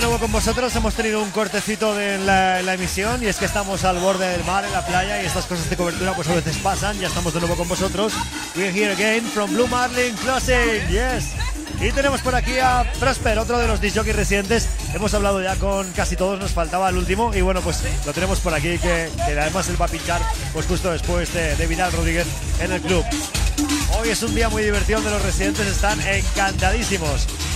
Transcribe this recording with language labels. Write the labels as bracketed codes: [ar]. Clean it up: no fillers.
[es] Nosotros hemos tenido un cortecito en la emisión y es que estamos al borde del mar, en la playa, y estas cosas de cobertura pues a veces pasan. Ya estamos de nuevo con vosotros. [en] We're here again from Blue Marlin Closet, yes. [es] Y tenemos por aquí a Prosper, otro de los DJs residentes. Hemos hablado ya con casi todos, nos faltaba el último. Y bueno, pues lo tenemos por aquí, que además él va a pinchar pues justo después de Vidal Rodríguez en el club. Hoy es un día muy divertido donde los residentes están encantadísimos.